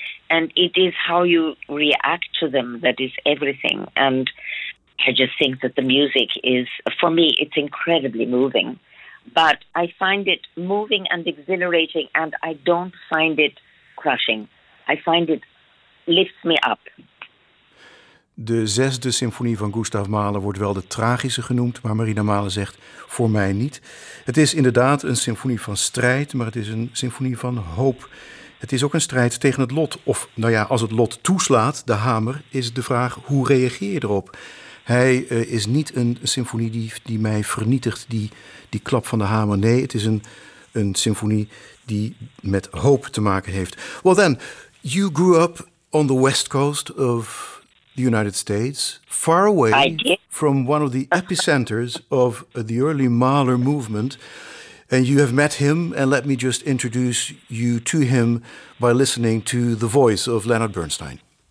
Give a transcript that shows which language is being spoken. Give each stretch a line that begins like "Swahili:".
English: And it is how you react to them that is everything. And I just think that the music is, for me, it's incredibly moving. But I find it moving and exhilarating, and I don't find it crushing. I find it lifts me up.
Dutch: De zesde symfonie van Gustav Mahler wordt wel de tragische genoemd, maar Marina Mahler zegt voor mij niet. Het is inderdaad een symfonie van strijd, maar het is een symfonie van hoop. Het is ook een strijd tegen het lot. Of nou ja, als het lot toeslaat, de hamer, is de vraag hoe reageer je erop? Hij is niet een symfonie die mij vernietigt, die klap van de hamer. Nee, het is een symfonie die met hoop te maken heeft.
English: Well then, you grew up on the west coast of the United States, far away from one of the epicenters of the early Mahler movement. And you have met him, and let me just introduce you to him by listening to the voice of Leonard Bernstein.